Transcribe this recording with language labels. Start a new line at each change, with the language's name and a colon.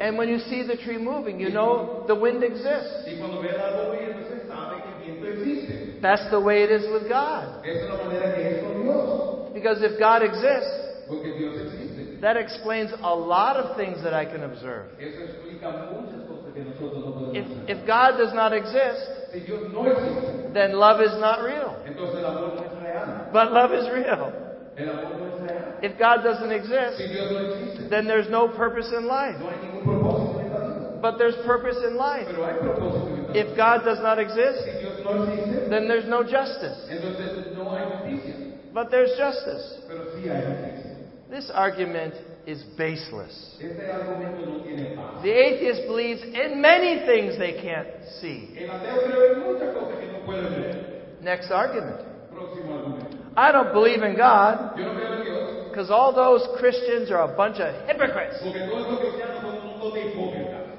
English: And when you see the tree moving, you know the wind exists.
Spanish: Y cuando ves el árbol moviéndose, sabes que el viento existe.
English: That's the way it is with God.
Spanish: Es la manera que es con Dios.
English: Because if God exists,
Spanish: porque Dios existe.
English: That explains a lot of things that I can observe.
Spanish: Eso explica muchas cosas que nosotros no podemos observar.
English: If God does not exist,
Spanish: si Dios no existe,
English: then love is not real.
Spanish: Entonces el amor no es real.
English: But love is real.
Spanish: El amor no es real.
English: If God doesn't exist,
Spanish: si Dios no existe,
English: then there's no purpose in life.
Spanish: No hay ningún propósito en la vida.
English: But there's purpose in life.
Spanish: Pero hay propósito en la vida.
English: If God does not exist,
Spanish: si Dios no existe,
English: then there's no justice.
Spanish: Entonces no hay justicia.
English: But there's justice.
Spanish: Pero sí hay justicia.
English: This argument is baseless.
Spanish: Este argumento no tiene paz.
English: The atheist believes in many things they can't see.
Spanish: El ateo cree en muchas cosas que no puede ver.
English: Next argument.
Spanish: Próximo argumento.
English: I don't believe in God.
Spanish: Yo no creo en Dios.
English: Because all those Christians are a bunch of hypocrites.
Spanish: Porque todos los cristianos son un montón de hipócritas.